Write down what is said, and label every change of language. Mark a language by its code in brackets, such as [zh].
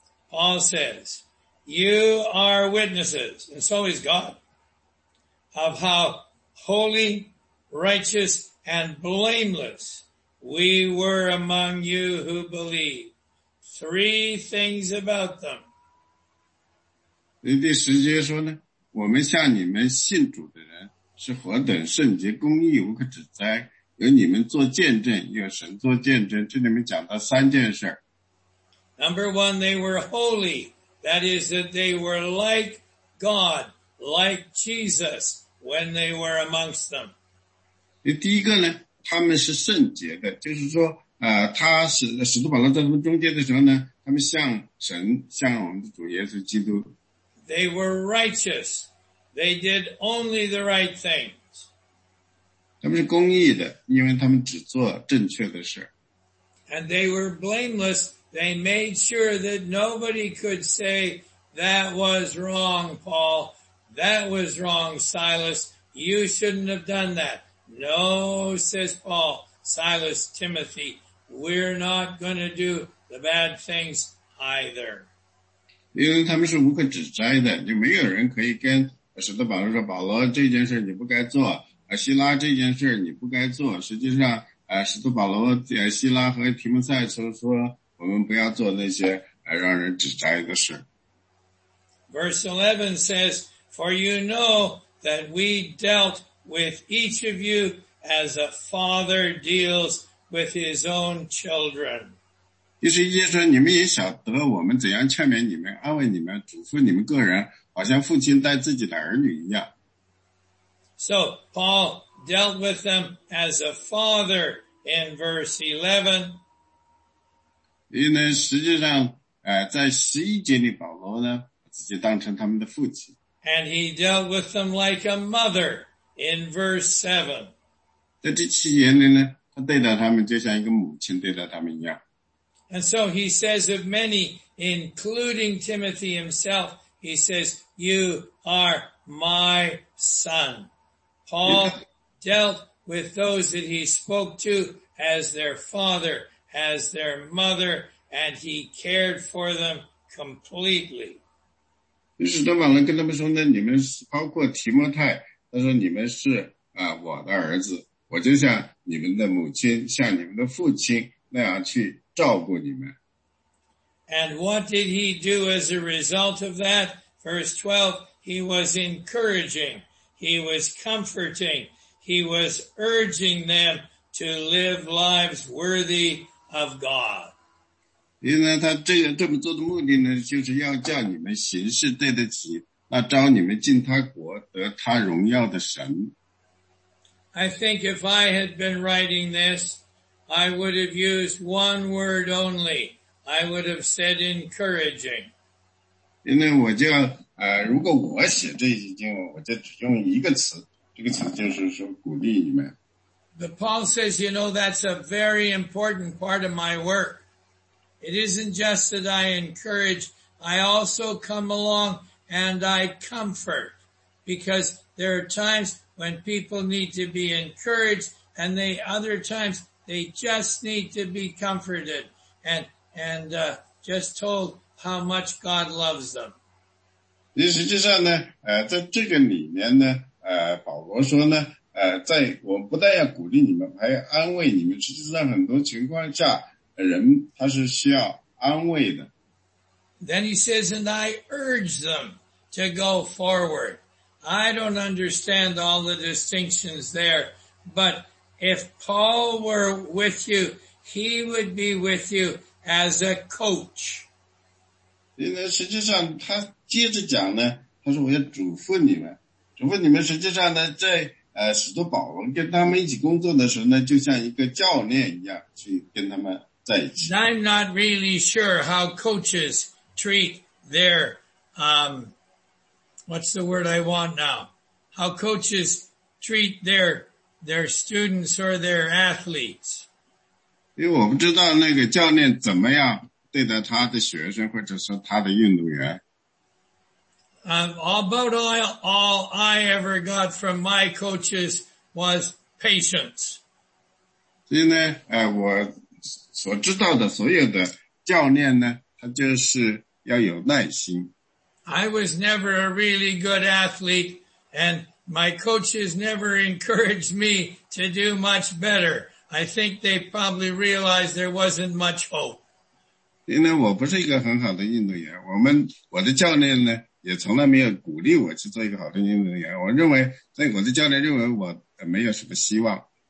[en] Paul says, you are witnesses, and so is God, of how holy, righteous, and blameless we were among you who believe. Three things about them. [zh] 第十节说呢，我们向你们信主的人是何等圣洁、公义、无可指摘，有你们做见证，有神做见证。这里面讲到三件事。 [en] Number one, they were holy. That is that they were like God, like Jesus, when they were amongst them. [zh] 第一个呢，他们是圣洁的，就是说，他是使徒保罗在他们中间的时候呢，他们像神，像我们的主耶稣基督。 [en] They were righteous. They did only the right things. [zh] 他们是公义的，因为他们只做正确的事。 [en] And they were blameless. They made sure that nobody could say, that was wrong, Paul. That was wrong, Silas. You shouldn't have done that. No, says Paul, Silas, Timothy. We're not going to do the bad things either. [zh] 因为他们是无可指摘的，就没有人可以跟使徒保罗说，保罗这件事你不该做，希拉这件事你不该做。实际上，使徒保罗、希拉和提摩太说，我们不要做那些让人指摘的事。 [en] Verse 11 says, For you know that we dealt with each of you as a father deals with his own children. [zh] 就是意思说你们也晓得我们怎样劝勉你们，安慰你们，嘱咐你们个人，好像父亲待自己的儿女一样。 [en] So, Paul dealt with them as a father in verse 11. [zh] 因为实际上在11节里保罗呢自己当成他们的父亲。 [en] And he dealt with them like a mother in verse 7. [zh] 在这七节里呢，他对待他们就像一个母亲对待他们一样。 [en] And so he says of many, including Timothy himself, he says, you are my son. Paul dealt with those that he spoke to as their father, as their mother, and he cared for them completely. [zh] 使徒保罗跟他们说呢，你们包括提摩太，他说你们是我的儿子，我就像你们的母亲，像你们的父亲那样去照顾你们。 [en] And what did he do as a result of that? Verse 12, he was encouraging, he was comforting, he was urging them to live lives worthy of God. [zh] 因为他这么做的目的呢，就是要叫你们行事对得起，那招你们进他国，得他荣耀的神。 [en] I think if I had been writing this, I would have used one word only. I would have said encouraging. [zh] 因为我就如果我写这些经文，我就只用一个词，这个词就是说鼓励你们。 [en] But Paul says, you know, that's a very important part of my work. It isn't just that I encourage, I also come along and I comfort. Because there are times when people need to be encouraged and they, other times they just need to be comforted and just told how much God loves them. [zh] 实际上呢，在这个里面呢，保罗说呢，在我不但要鼓励你们，还要安慰你们。实际上很多情况下人他是需要安慰的。 [en] Then he says, and I urge them to go forward. I don't understand all the distinctions there, but if Paul were with you, he would be with you as a coach. [zh] 因为实际上他接着讲呢，他说我要嘱咐你们，嘱咐你们实际上呢，在使徒保罗跟他们一起工作的时候呢，就像一个教练一样去跟他们。 [en] I'm not really sure how coaches treat their, what's the word I want now? How coaches treat their students or their athletes. [zh] 因为我不知道那个教练怎么样对待他的学生或者说他的运动员。 [en] About all I ever got from my coaches was patience. [zh] 所以呢，我所知道的所有的教练呢，他就是要有耐心。 [en] I was never a really good athlete, and my coaches never encouraged me to do much better. I think they probably realized there wasn't much hope. [zh] 因为我不是一个很好的运动员，我的教练呢，也从来没有鼓励我去做一个好的运动员。我认为，在我的教练认为我没有什么希望。